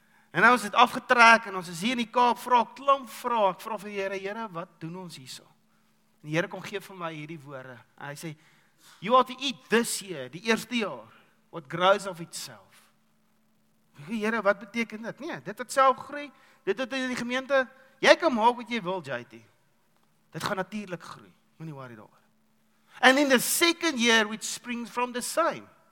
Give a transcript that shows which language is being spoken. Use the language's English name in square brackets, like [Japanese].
[Afrikaans] En nou is dit afgetrek, en ons is hier in die Kaap, ek vraag vir die Here, wat doen ons hierso? En die Here kom gee vir my hierdie woorde, en hy sê, [English] you ought to eat this year, [Afrikaans] die eerste jaar, [English] what grows of itself. [Afrikaans] Die Here, wat beteken dit? Nee, dit het self groei, dit het in die gemeente, jy kan maak wat jy wil, JT. Dit gaan natuurlik groei, moet nie worry daar. [English] And in the second year, which springs from the same.